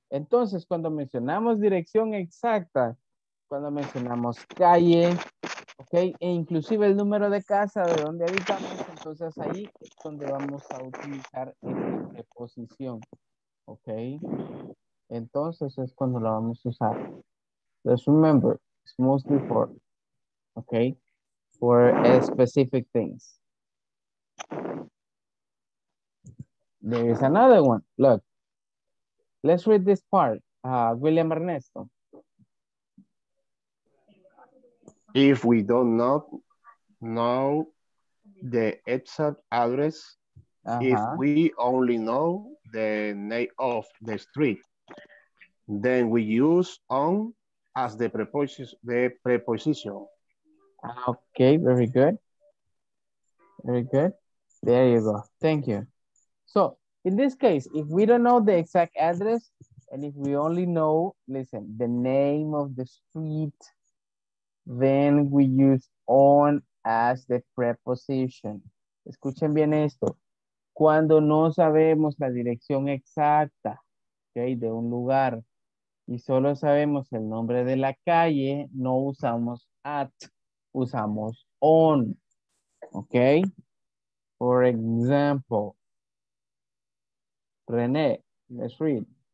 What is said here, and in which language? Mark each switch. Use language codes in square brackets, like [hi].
[es] Entonces, cuando mencionamos dirección exacta, cuando mencionamos calle, ¿ok? E inclusive el número de casa de donde habitamos, entonces ahí es donde vamos a utilizar esta preposición, ¿ok? Entonces es cuando la vamos a usar. [en] Just remember, it's mostly for, okay, for specific things. There is another one. Look, let's read this part. William Ernesto. If we don't know the exact address, uh-huh, if we only know the name of the street, then we use on as the preposition. Okay, very good. Very good. There you go. Thank you. So, in this case, if we don't know the exact address, and if we only know, listen, the name of the street, then we use on as the preposition. [es] Escuchen bien esto. Cuando no sabemos la dirección exacta, okay, de un lugar, y solo sabemos el nombre de la calle, no usamos at. Usamos on, [en] ¿ok? For example, René, let's read.